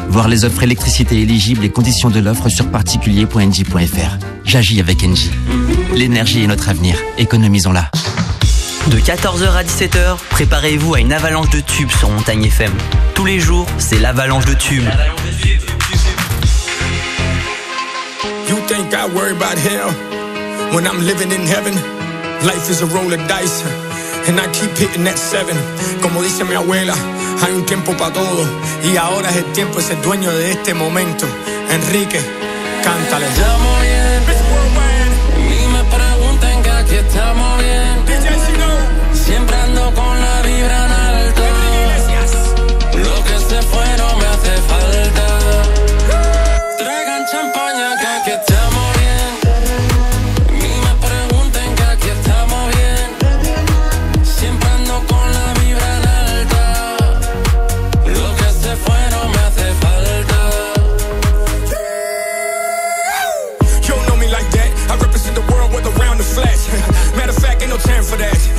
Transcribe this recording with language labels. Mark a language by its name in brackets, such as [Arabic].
[French] Voir les offres électricité éligibles et conditions de l'offre sur particulier.engie.fr. J'agis avec Engie. L'énergie est notre avenir. Économisons-la. De 14h à 17h, préparez-vous à une avalanche de tubes sur Montagne FM. Tous les jours, c'est l'avalanche de tubes. [English] You think I worry about hell when I'm living in heaven? Life is a roll of dice and I keep hitting that seven. [Spanish] Como dice mi abuela, hay un tiempo para todo y ahora es el tiempo, es el dueño de este momento. Enrique, cántale. Estamos bien, ni me pregunten que aquí estamos bien. Siempre ando con la vibra en alto. Lo que se fue no me hace falta. Traigan champaña que aquí estamos bien. Ni me pregunten que aquí estamos bien. Siempre ando con la vibra en alto. Lo que se fue no me hace falta. [English] You don't know me like that. I represent the world with a round of flesh. Matter of fact, ain't no time for that.